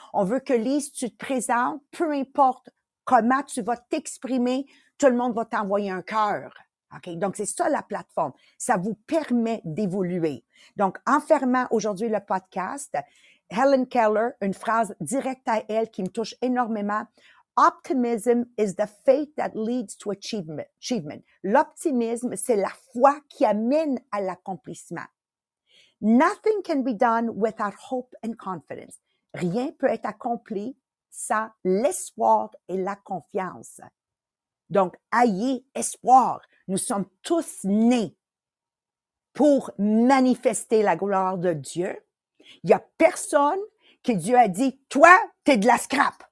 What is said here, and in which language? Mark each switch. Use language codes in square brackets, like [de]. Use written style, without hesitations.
[fr] On veut que Lise, tu te présentes, peu importe comment tu vas t'exprimer, tout le monde va t'envoyer un cœur. OK? Donc, c'est ça la plateforme. Ça vous permet d'évoluer. Donc, en fermant aujourd'hui le podcast, Helen Keller, une phrase directe à elle qui me touche énormément. [en] Optimism is the faith that leads to achievement. [fr] L'optimisme, c'est la foi qui amène à l'accomplissement. [en] Nothing can be done without hope and confidence. [fr] Rien peut être accompli sans l'espoir et la confiance. Donc, ayez espoir. Nous sommes tous nés pour manifester la gloire de Dieu. Il n'y a personne que Dieu a dit, toi, t'es de la scrap.